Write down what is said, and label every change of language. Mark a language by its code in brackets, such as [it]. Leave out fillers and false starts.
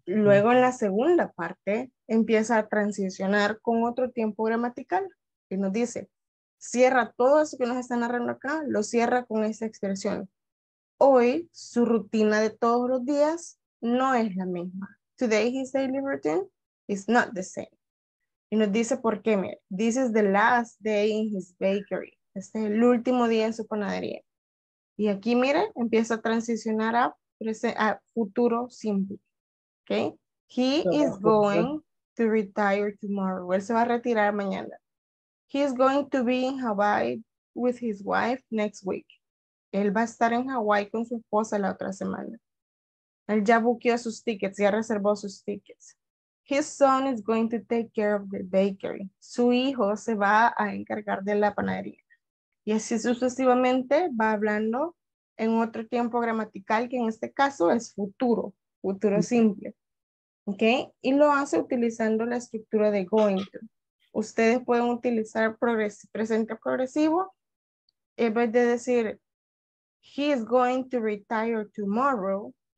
[es] Luego en la segunda parte empieza a transicionar con otro tiempo gramatical y nos dice, cierra todo eso que nos está narrando acá, lo cierra con esta expresión. Hoy su rutina de todos los días no es la misma. [en] Today his daily routine is not the same. [es] Y nos dice por qué, mire, [en] this is the last day in his bakery. [es] Este es el último día en su panadería. Y aquí, mire, empieza a transicionar a futuro simple, ¿ok? [en] He is going to retire tomorrow. [es] Él se va a retirar mañana. [en] He is going to be in Hawaii with his wife next week. [es] Él va a estar en Hawaii con su esposa la otra semana. Él ya buqueó sus tickets, ya reservó sus tickets. [en] His son is going to take care of the bakery. [es] Su hijo se va a encargar de la panadería. Y así sucesivamente va hablando en otro tiempo gramatical, que en este caso es futuro, futuro simple. ¿Ok? Y lo hace utilizando la estructura de going to. Ustedes pueden utilizar presente progresivo en vez de decir, [en] he is going to retire tomorrow.